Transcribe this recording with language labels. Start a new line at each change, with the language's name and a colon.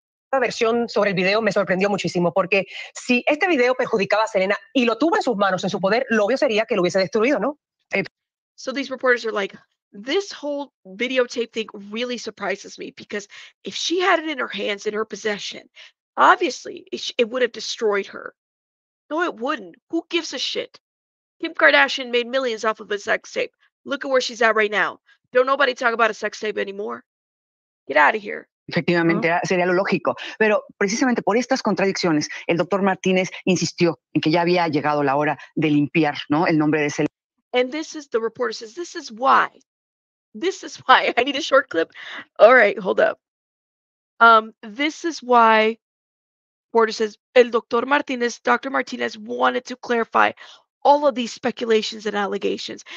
Spanish: La versión sobre el video me sorprendió muchísimo porque si este video perjudicaba a Selena y lo tuvo en sus manos, en su poder, lo obvio sería que lo hubiese destruido, ¿no?
English: So these reporters are like, this whole videotape thing really surprises me because if she had it in her hands, in her possession, obviously it would have destroyed her. No, it wouldn't. Who gives a shit? Kim Kardashian made millions off of a sex tape. Look at where she's at right now. Don't nobody talk about a sex tape anymore. Get out of here.
Spanish: Efectivamente, ¿no? Sería lo lógico. Pero precisamente por estas contradicciones, el doctor Martinez insistió en que ya había llegado la hora de limpiar, ¿no?, el nombre de Selena.
English: And this is, the reporter says, this is why. This is why. I need a short clip. All right, hold up. This is why, reporter says,
Spanish: el doctor Martinez,
English: Dr. Martinez wanted to clarify all of these speculations and allegations.